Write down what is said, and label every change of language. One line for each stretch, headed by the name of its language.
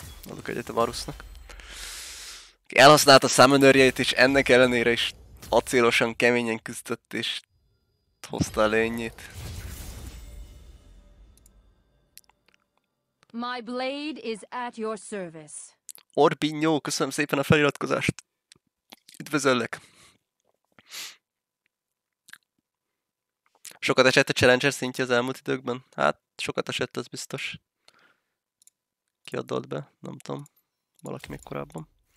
Hungarian: Adok egyet a Varusnak. Elhasználta a summonerjeit, és ennek ellenére is acélosan, keményen küzdött, és hozta a lényét.
English: My blade is at your service.
Hungarian: Orbinyó, köszönöm szépen a feliratkozást. Üdvözöllek. Sokat esett a Challenger szintje az elmúlt időkben? Hát, sokat esett, az biztos. Ki adott be? Nem tudom. Valaki még korábban.